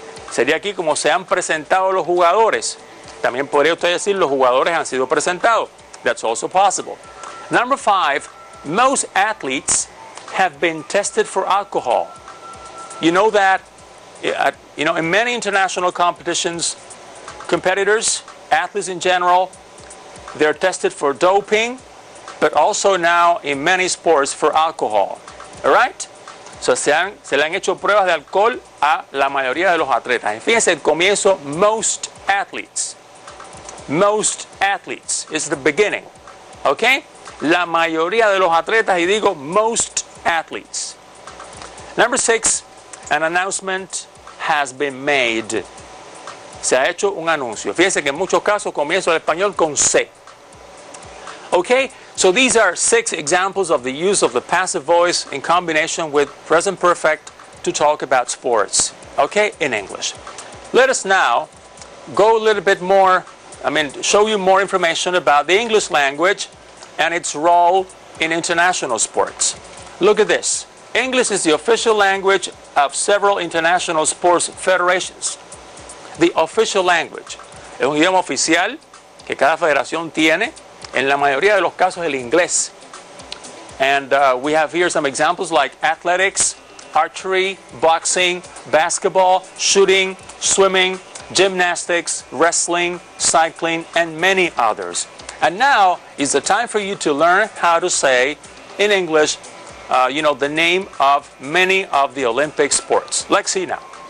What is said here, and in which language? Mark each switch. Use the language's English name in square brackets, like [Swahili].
[Spanish] Sería aquí como se han presentado los jugadores. También podría usted decir los jugadores han sido presentados. [English] That's also possible. Number five, most athletes have been tested for alcohol. You know that, you know, in many international competitions, competitors, athletes in general, they're tested for doping, but also now in many sports for alcohol. All right? [Spanish] So se le han hecho pruebas de alcohol a la mayoría de los atletas. Y fíjense el comienzo, [English] most athletes. Most athletes is the beginning. Okay? [Spanish] La mayoría de los atletas, y digo most athletes. [English] Number six, an announcement has been made. [Spanish] Se ha hecho un anuncio. Fíjense que en muchos casos comienzo el español con C. [English] Okay, so these are six examples of the use of the passive voice in combination with present perfect to talk about sports, okay, in English. Let us now go a little bit more, I mean, show you more information about the English language and its role in international sports. Look at this. English is the official language of several international sports federations. The official language. [Spanish] Es un idioma oficial que cada federación tiene. En la mayoría de los casos, el inglés. [English] And we have here some examples like athletics, archery, boxing, basketball, shooting, swimming, gymnastics, wrestling, cycling, and many others. And now is the time for you to learn how to say in English, you know, the name of many of the Olympic sports. Let's see now.